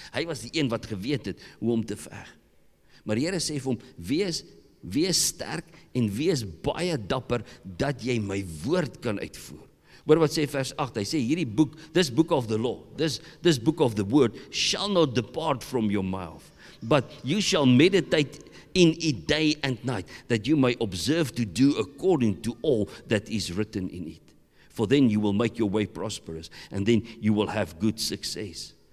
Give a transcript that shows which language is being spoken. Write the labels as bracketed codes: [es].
[af] Hy was die een wat geweet het hoe om te veg. Maar die Here sê vir hom, wees sterk en wees baie dapper dat jy my woord kan uitvoer. Hoor wat sê vers 8, hy sê hierdie boek, [en] this book of the law, this book of the word, shall not depart from your mouth, but you shall meditate in it day and night, that you may observe to do according to all that is written in it. For then you will make your way prosperous, and then you will have good success.